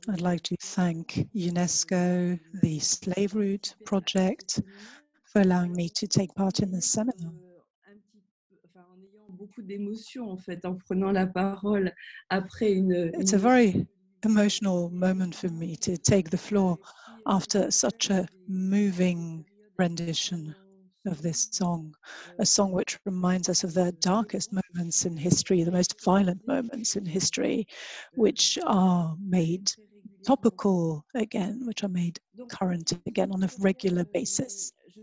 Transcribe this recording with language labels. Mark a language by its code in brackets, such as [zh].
[en] I'd like to thank UNESCO, the Slave Route Project, for allowing me to take part in the seminar. [fr] En ayant beaucoup d'émotions en fait, en prenant la parole après une. [en] It's a very emotional moment for me to take the floor after such a moving rendition of this song, a song which reminds us of the darkest moments in history, the most violent moments in history, which are made topical again, which are made current again on a regular basis.